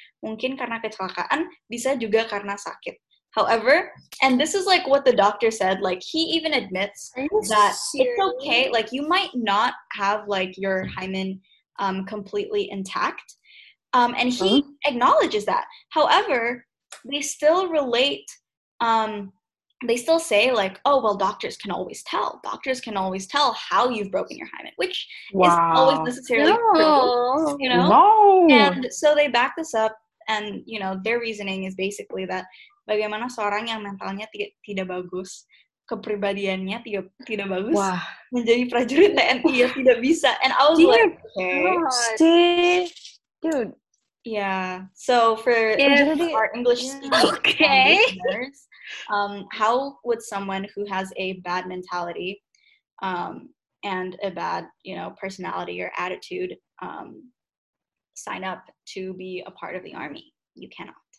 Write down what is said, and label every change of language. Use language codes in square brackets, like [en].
[id] Mungkin karena kecelakaan, bisa juga karena sakit. [en] However, and this is like what the doctor said, like he even admits that it's okay, like you might not have like your hymen completely intact. And he acknowledges that. However, they still relate, they still say like, oh, well, doctors can always tell. Doctors can always tell how you've broken your hymen, which is always necessarily true, you know? No. And so they back this up and, you know, their reasoning is basically that [id] bagaimana seorang yang mentalnya tidak bagus, kepribadiannya tidak bagus, menjadi prajurit TNI ya tidak bisa. [en] And I was dude. Yeah, so for our English-speaking listeners, how would someone who has a bad mentality and a bad, you know, personality or attitude sign up to be a part of the army? You cannot.